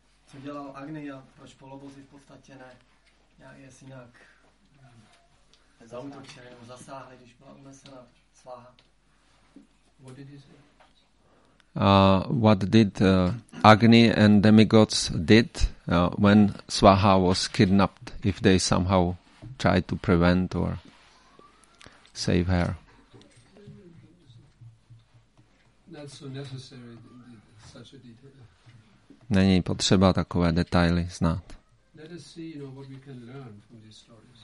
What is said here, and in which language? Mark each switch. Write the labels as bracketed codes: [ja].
[cs] Co dělal Agni a proč polobozy v podstatě ne? Jestli nějak zautočili nebo zasáhli, když byla unesena sváha. [en] What did he say? What did Agni and demigods did when Swaha was kidnapped, if they somehow tried to prevent or save her? Not so necessary, such a detail. [cs] Není potřeba takové detaily znát. [en] Let us see, you know, what we can learn from these stories.